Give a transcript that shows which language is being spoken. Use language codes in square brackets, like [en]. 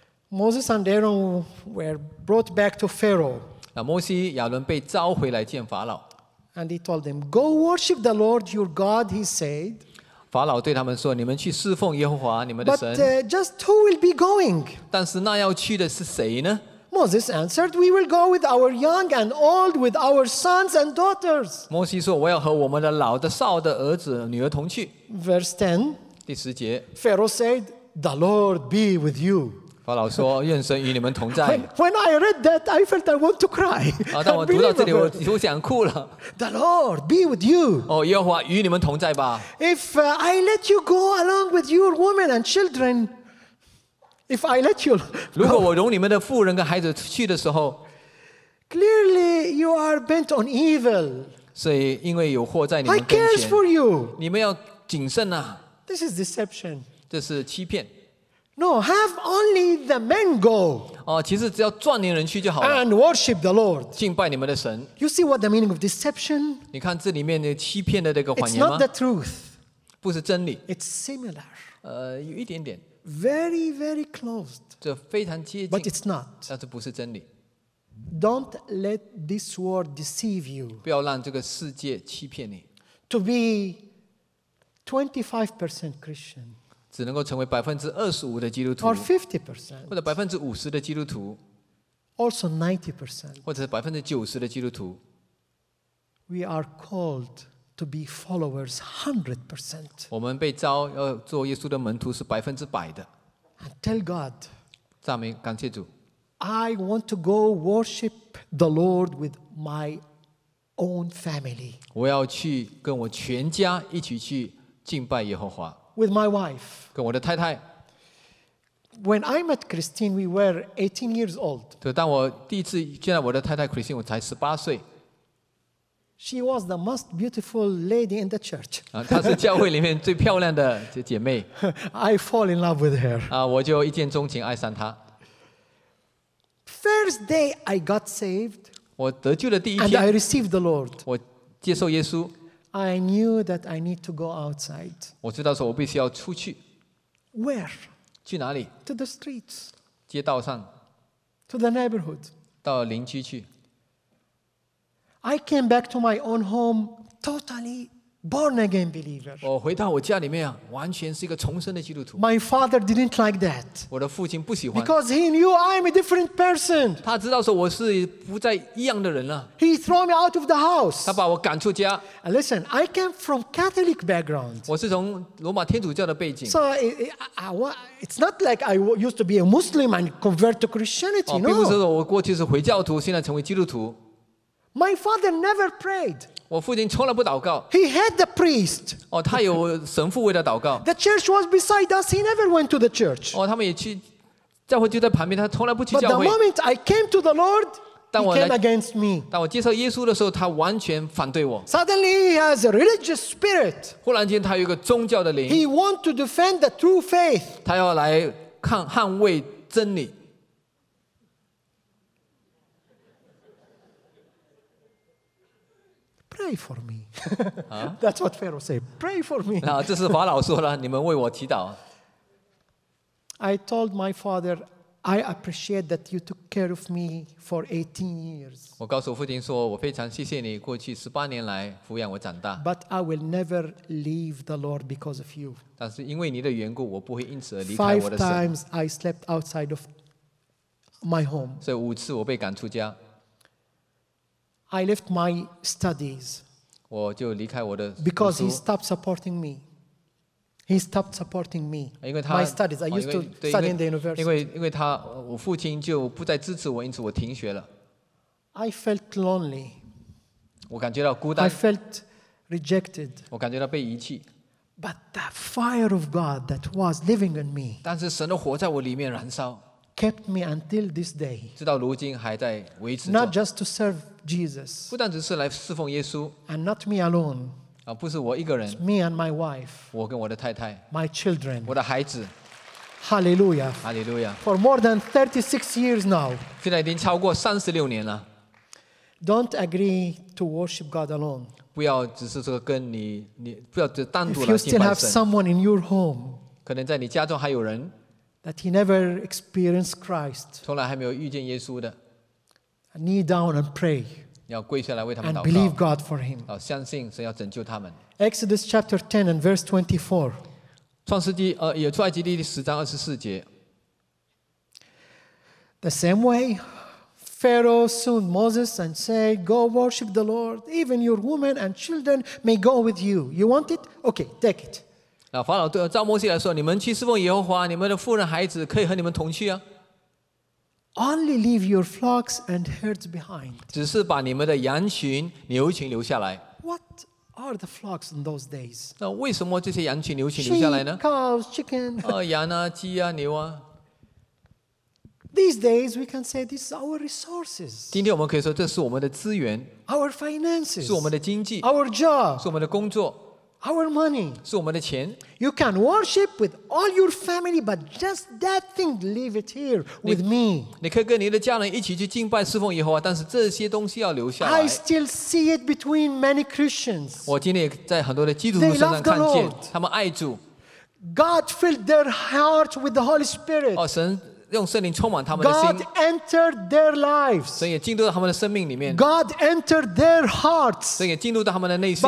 [en] Moses and Aaron were brought back to Pharaoh. [zh] 那摩西、亚伦被召回来见法老。 [en] And he told them, "Go worship the Lord your God," he said. [zh] 法老对他们说：“你们去侍奉耶和华你们的神。 [en] ”But just who will be going? [zh] 但是那要去的是谁呢 [en] ？Moses answered, "We will go with our young and old, with our sons and daughters." [zh] 摩西说：“我要和我们的老的、少的儿子、女儿同去。 [en] ”Verse 10. [zh] 第十节。 [en] Pharaoh said, "The Lord be with you." [zh] 法老说：“愿神与你们同在。 [en] ”When I read that, I felt I want to cry. [zh] 啊，当我读到这里，我想哭了。 [en] The Lord be with you. [zh] 哦，耶和华与你们同在吧。 [en] If I let you go along with your woman and children, if I let you, [zh] 如果我容你们的妇人跟孩子去的时候 [en] ，Clearly you are bent on evil. [zh] 所以因为有祸在你们跟 [en] 前。I care for you. [zh] 你们要谨慎啊。 [en] This is deception. [zh] 这是欺骗。 [en] No, have only the men go. [zh] 哦，其实只要壮年人去就好了。 [en] And worship the Lord. [zh] 敬拜你们的神。 [en] You see what the meaning of deception? [zh] 你看这里面的欺骗的这个谎言吗 [en] ？It's not the truth. [zh] 不是真理。 [en] It's similar. [zh] 有一点点。 [en] Very, very close. [zh] 这非常接近。 [en] But it's not. [zh] 但是不是真理。 [en] Don't let this world deceive you. [zh] 不要让这个世界欺骗你。 [en] To be 25% Christian. [zh] 只能够成为 25% 的基督徒 [en] or 50%, [zh] 或者 50% 的基督徒 [en] also 90%, [zh] 或者 90% 的基督徒 [en] we are called to be followers 100%, [zh] 我们被召要做耶稣的门徒是 100% 的 [en] and tell God, [zh] 赞美感谢主 [en] I want to go worship the Lord with my own family, [zh] 我要去跟我全家一起去敬拜耶和华 [en] With my wife. [zh] 跟我的太太。 [en] When I met Christine, we were 18 years old. [zh] 对，当我第一次见到我的太太 Christine, 我才18岁。 [en] She was the most beautiful lady in the church. [zh] 她是教会里面最漂亮的姐妹。 [en] I fall in love with her. [zh] 我就一见钟情爱上她。 [en] First day I got saved. [zh] 我得救的第一天。 [en] And I received the Lord. [zh] 我接受耶稣。 [en] I knew that I need to go outside. [zh] 我知道说我必须要出去。 [en] Where? [zh] 去哪里 [en] ？To the streets. [zh] 街道上。 [en] To the neighborhood. [zh] 到邻居去。 [en] I came back to my own home totally born again believer. [zh] 我回到我家里面啊，完全是一个重生的基督徒。 [en] My father didn't like that. [zh] 我的父亲不喜欢。 [en] Because he knew I'm a different person. [zh] 他知道说我是不再一样的人了。 [en] He threw me out of the house. [zh] 他把我赶出家。 [en] And listen, I came from Catholic background. [zh] 我是从罗马天主教的背景。 [en] So it's not like I used to be a Muslim and convert to Christianity. [zh] 并不是说我过去是回教徒，现在成为基督徒。 [en] My father never prayed. [zh] 我父亲从来不祷告。 [en] He had the priest. [zh] 哦，他有神父为他祷告。 [en] The church was beside us. He never went to the church. [zh] 哦，他们也去教会就在旁边，他从来不去教会。 [en] But the moment I came to the Lord, he came against me. [zh] 当我接受耶稣的时候，他完全反对我。 [en] Suddenly he has a religious spirit. [zh] 忽然间，他有一个宗教的灵。 [en] He wants to defend the true faith. [zh] 他要来捍卫真理。 [en] Pray for me. That's what Pharaoh said. Pray for me. [zh] 啊，这是法老说了，你们为我祈祷。 [en] I told my father, I appreciate that you took care of me for 18 years. [zh] 我告诉父亲说，我非常谢谢你过去十八年来抚养我长大。 [en] But I will never leave the Lord because of you. [zh] 但是因为你的缘故，我不会因此而离开我的 [en] 神。Five times I slept outside of my home. [zh] 所以五次我被赶出家。 [en] I left my studies. [zh] 我就离开我的读书。 [en] Because he stopped supporting me. He stopped supporting me. [zh] 因为他 [en] my studies. I used to study in the university. [zh] 因为他，我父亲就不再支持我，因此我停学了。 [en] I felt lonely. [zh] 我感觉到孤单。 [en] I felt rejected. [zh] 我感觉到被遗弃。 [en] But the fire of God that was living in me. [zh] 但是神的火在我里面燃烧。 [en] Kept me until this day. [zh] 直到如今还在维持着。 [en] Not just to serve Jesus. [zh] 不但只是来侍奉耶稣。 [en] And not me alone. [zh] 啊，不是我一个人。 [en] It's me and my wife. [zh] 我跟我的太太。 [en] My children. [zh] 我的孩子。 [en] Hallelujah. [zh] Hallelujah. [en] For more than 36 years now. [zh] 现在已经超过三十六年了。 [en] Don't agree to worship God alone. [zh] 不要只是说跟你不要只单独来敬拜神。 [en] If you still have someone in your home. [zh] 可能在你家中还有人。 [en] That he never experienced Christ. [zh] 从来还没有遇见耶稣的。 [en] Knee down and pray. [zh] 要跪下来为他们祷告。 [en] And believe God for him. [zh] 要相信神要拯救他们。 [en] Exodus chapter 10 and verse 24. [zh] 出埃及记第十章二十四节。 [en] The same way, Pharaoh summoned Moses and said, "Go worship the Lord. Even your women and children may go with you. You want it? Okay, take it." [zh] 那法老对召摩西来说：“你们去侍奉耶和华，你们的妇人孩子可以和你们同去啊。” [en] Only leave your flocks and herds behind. [zh] 只是把你们的羊群、牛群留下来。 [en] What are the flocks in those days? [zh] 那为什么这些羊群、牛群留下来呢 [en] ？Sheep, cows, chicken. [zh] 羊啊，鸡啊，牛啊。 [en] These days we can say this is our resources. [zh] 今天我们可以说这是我们的资源。 [en] Our finances. [zh] 是我们的经济。 [en] Our job. [zh] 是我们的工作。 [en] Our money. [zh] 是我们的钱。 [en] You can worship with all your family, but just that thing, leave it here with me. [zh] 你可以跟你的家人一起去敬拜侍奉耶和华，但是这些东西要留下来。 [en] I still see it between many Christians. [zh] 我今天也在很多的基督徒身上看见，他们爱主。 [en] God filled their heart with the Holy Spirit. [zh] 哦，神用圣灵充满他们的心。 [en] God entered their lives. [zh] 神也进入到他们的生命里面。 [en] God entered their hearts. [zh] 神也进入到他们的内心。